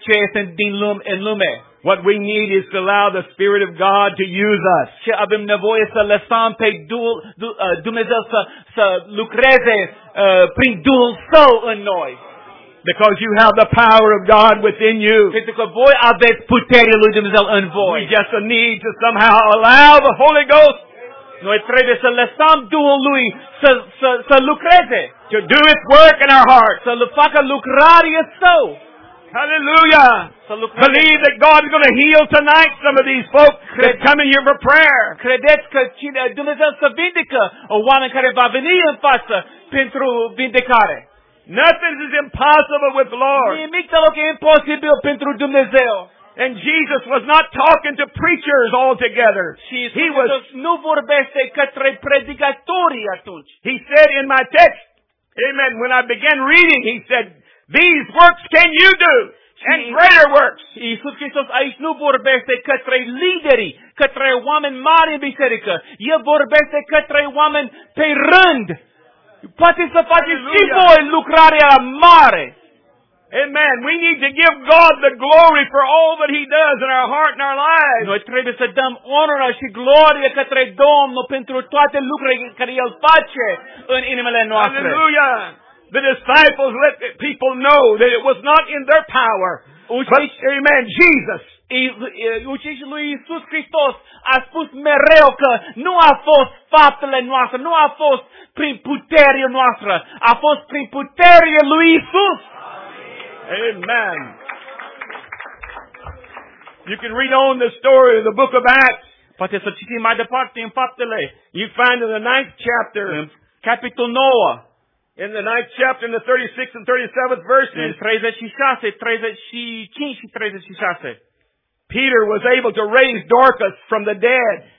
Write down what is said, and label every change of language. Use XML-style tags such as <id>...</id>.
<en>What we need is to allow the Spirit of God to use us.</en> <ro>Ce avem nevoie să lăsăm pe Dumnezeu să lucreze prin Duhul Său în noi.</ro> <en>Because you have the power of God within you.</en> <ro>Pentru că voi aveți puterea lui Dumnezeu în voi.</ro> <en>We just need to somehow allow the Holy Ghost.</en> <ro>Noi trebuie să lăsăm Duhul lui să lucreze.</ro> <en>To do its work in our hearts.</en> <ro>Să facă lucrarea Său.</ro> <en>Hallelujah. Believe that God is going to heal tonight some of these folks that come in here for prayer.</en> <ro>Credeți că Dumnezeu să vindecă o oameni care va veni în față pentru vindecare.</ro> <en>Nothing is impossible with the Lord.</en> <ro>Nimic deloc e imposibil pentru Dumnezeu.</ro> <en>And Jesus was not talking to preachers altogether. He was</en> <ro>nu vorbește către predicatori atunci.</ro> <en>He said in my text, amen, when I began reading, he said, these works can you do, and greater works.</en> <ro>Iisus Hristos aici nu vorbește către lideri, către oameni mari în biserică. El vorbește către oameni pe rând. Poate să faceți și voi lucrarea mare.</ro> <en>Amen. We need to give God the glory for all that He does in our heart and our lives.</en> <ro>Noi trebuie să dăm onoră și glorie către Domnul pentru toate lucrurile care El face în inimile noastre.</ro> <en>Hallelujah. The disciples let the people know that it was not in their power. Amen. Jesus.</en> <ro>Ucenicii lui Iisus Hristos a spus mereu că nu a fost faptele noastre, nu a fost prin puterea noastră, a fost prin puterea lui Iisus.</ro> <en>Amen. You can read on the story of the book of Acts.</en> <ro>Poate să citim mai departe în Faptele.</ro> <en>You find in the ninth chapter,</en> <ro>capitol 9,</ro> <en>in the ninth chapter, in the 36th and 37th verses.</en> <ro>În 36, 35 și 36.</ro> <en>Peter was able to raise Dorcas from the dead.</en>